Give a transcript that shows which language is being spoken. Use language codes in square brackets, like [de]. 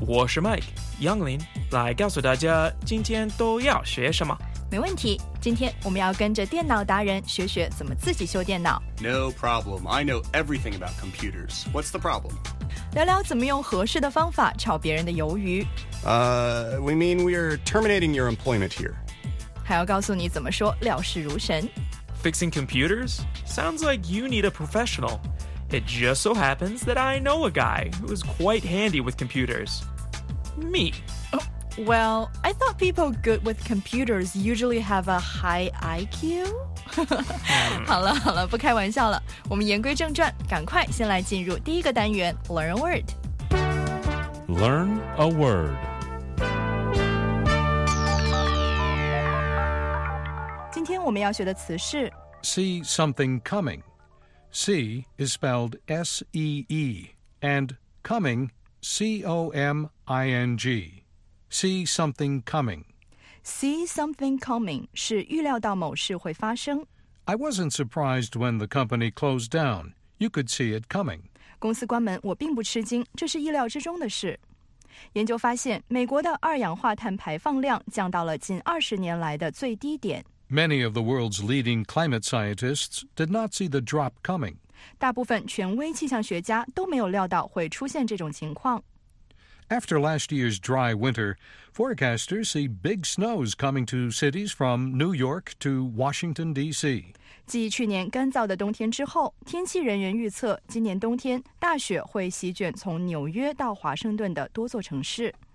[zh] 我是 Mike， 杨林来告诉大家今天都要学什么。没问题，今天我们要跟着电脑达人学学怎么自己修电脑。 [en] No problem, I know everything about computers. What's the problem? [zh] 聊聊怎么用合适的方法炒别人的鱿鱼。 [en] We mean we are terminating your employment here. [zh] 还要告诉你怎么说了事如神。 [en] Fixing computers? Sounds like you need a professional. It just so happens that I know a guy who is quite handy with computers. Me. Well, I thought people good with computers usually have a high IQ. [zh] 好了好了，不开玩笑了。我们言归正传，赶快先来进入第一个单元 [en] Learn a Word. Learn a Word. [zh] 今天我们要学的词是 [en] See something coming. See is spelled S-E-E and coming C-O-M-I-N-G. See something coming. See something coming [zh] 是预料到某事会发生。 [en] I wasn't surprised when the company closed down. You could see it coming. [zh] 公司关门，我并不吃惊，这是意料之中的事。研究发现，美国的二氧化碳排放量降到了近20年来的最低点。 [en] Many of the world's leading climate scientists did not see the drop coming. [zh] 大部分权威气象学家都没有料到会出现这种情况。 [en] After last year's dry winter, forecasters see big snows coming to cities from New York to Washington, D.C. [zh] 继去年干燥的冬天之后，天气人员预测今年冬天大雪会席卷从纽约到华盛顿的多座城市。